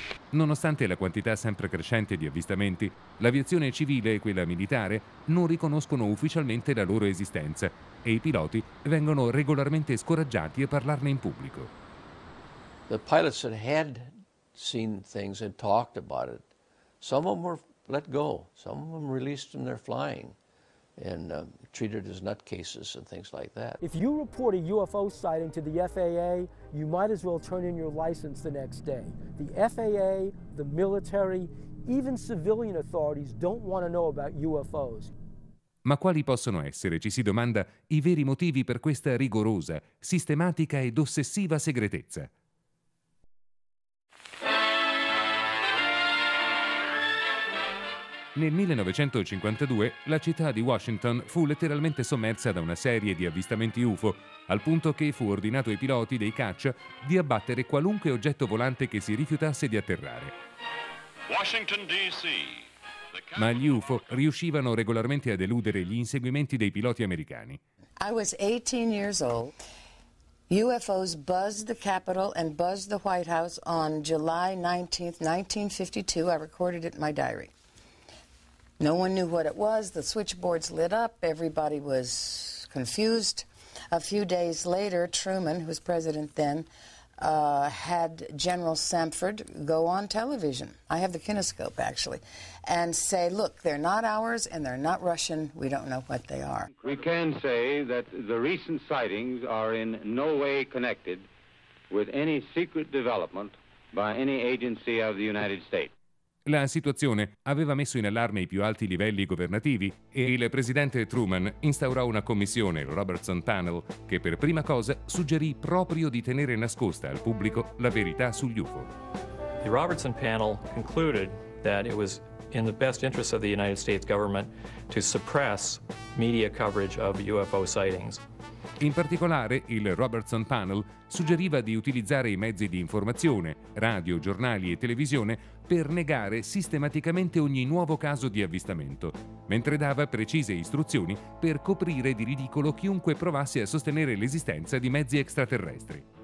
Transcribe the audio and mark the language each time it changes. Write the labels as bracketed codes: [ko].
[it] Nonostante la quantità sempre crescente di avvistamenti, l'aviazione civile e quella militare non riconoscono ufficialmente la loro esistenza e i piloti vengono regolarmente scoraggiati a parlarne in pubblico. [en] The pilots that had seen things and talked about it, some of them were let go, some of them released from their flying. And treated as nutcases and things like that. If you report a UFO sighting to the FAA, you might as well turn in your license the next day. The FAA, the military, even civilian authorities don't want to know about UFOs. [it] Ma quali possono essere, ci si domanda, i veri motivi per questa rigorosa, sistematica ed ossessiva segretezza? Nel 1952 la città di Washington fu letteralmente sommersa da una serie di avvistamenti UFO, al punto che fu ordinato ai piloti dei caccia di abbattere qualunque oggetto volante che si rifiutasse di atterrare. [en] Washington DC. [it] Ma gli UFO riuscivano regolarmente a deludere gli inseguimenti dei piloti americani. [en] I was 18 years old. UFOs buzzed the Capitol and buzzed the White House on July 19th, 1952. I recorded it in my diary. No one knew what it was. The switchboards lit up. Everybody was confused. A few days later, Truman, who was president then, had General Samford go on television. I have the kinescope, actually, and say, look, they're not ours and they're not Russian. We don't know what they are. We can say that the recent sightings are in no way connected with any secret development by any agency of the United States. [it] La situazione aveva messo in allarme i più alti livelli governativi e il presidente Truman instaurò una commissione, il Robertson Panel, che per prima cosa suggerì proprio di tenere nascosta al pubblico la verità sugli UFO. [en] The Robertson Panel concluded that it was in the best interest of the United States government to suppress media coverage of UFO sightings. [it] In particolare, il Robertson Panel suggeriva di utilizzare i mezzi di informazione, radio, giornali e televisione, per negare sistematicamente ogni nuovo caso di avvistamento, mentre dava precise istruzioni per coprire di ridicolo chiunque provasse a sostenere l'esistenza di mezzi extraterrestri.